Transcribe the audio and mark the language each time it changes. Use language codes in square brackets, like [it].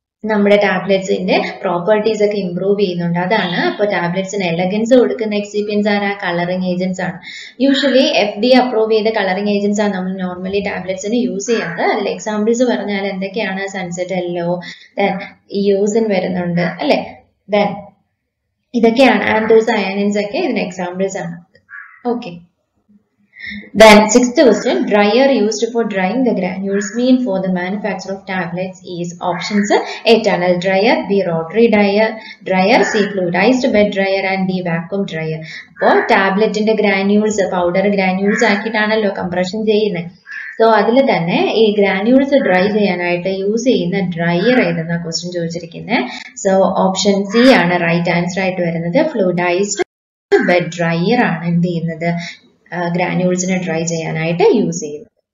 [ml] നമ്മുടെ ടാബ്ലറ്റ്സിന്റെ പ്രോപ്പർട്ടീസ് ഒക്കെ ഇംപ്രൂവ് ചെയ്യുന്നുണ്ട്. അതാണ് അപ്പൊ ടാബ്ലറ്റ്സിന് എലഗൻസ് കൊടുക്കുന്ന എക്സിപ്പിയൻസ് ആരാ? കളറിംഗ് ഏജൻസ് ആണ്. യൂഷ്വലി FDA അപ്രൂവ് ചെയ്ത കളറിംഗ് ഏജൻസ് ആണ് നമ്മൾ നോർമലി ടാബ്ലറ്റ്സിന് യൂസ് ചെയ്യുന്നത്. അതിൽ എക്സാമ്പിൾസ് പറഞ്ഞാൽ എന്തൊക്കെയാണ്? സൺസെറ്റ് എല്ലോ, ദെൻ യൂസിൻ വരുന്നുണ്ട് അല്ലെ, ദെൻ ഇതൊക്കെയാണ് ആന്തോസയാനിൻസ് ഒക്കെ ഇതിന് എക്സാമ്പിൾസ് ആണ്. [en] Okay, then sixth question, dryer used for drying the granules mean for the manufacture of tablets is options A, tunnel dryer, B, rotary dryer, C, fluidized bed dryer and D, vacuum dryer. [ml] അപ്പോ ടാബ്ലറ്റിന്റെ granules powder granules ആക്കിയിട്ടാണല്ലോ compression ചെയ്യുന്നത്. So അതിൽ തന്നെ ഈ granules dry ചെയ്യാനായിട്ട് use ചെയ്യുന്ന dryer ഏതെന്നാ question ചോദിച്ചിരിക്കുന്നത്. So option C ആണ് right answer ആയിട്ട് വരുന്നത്. ഫ്ലൂഡൈസ്ഡ് ബെഡ് ഡ്രൈയർ ആണ് എന്ത് ചെയ്യുന്നത്, ഗ്രാന്യൂൾസിനെ ഡ്രൈ ചെയ്യാനായിട്ട് യൂസ് ചെയ്യുന്നത്.